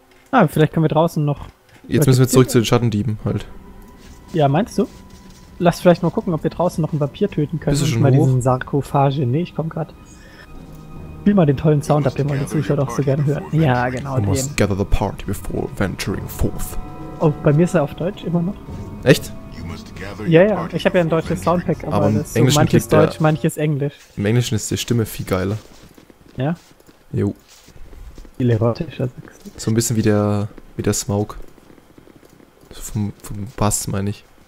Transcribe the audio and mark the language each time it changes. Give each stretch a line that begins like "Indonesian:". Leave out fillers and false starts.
German: Ah, vielleicht können wir draußen noch. Jetzt müssen wir zurück zu den Schattendieben halt. Ja, meinst du? Lass vielleicht mal gucken, ob wir draußen noch ein Vampir töten können. Bist du schon mal hoch? Diesen Sarkophage. Nee, ich komm grad. Spiel mal den tollen Sound ab, den man die Zuschauer doch so gerne hört. Ja, genau.
English: You must gather the party before venturing forth.
German: Oh, bei mir ist er auf Deutsch immer noch. Echt? Ja, ja. Ich habe ja ein deutsches Soundpack, aber im Englischen so manches Deutsch, manches Englisch. Im Englischen ist die Stimme viel geiler. Ja? Jo. Viel erotischer. So ein bisschen wie der Smaug. Vom Bass, meine ich.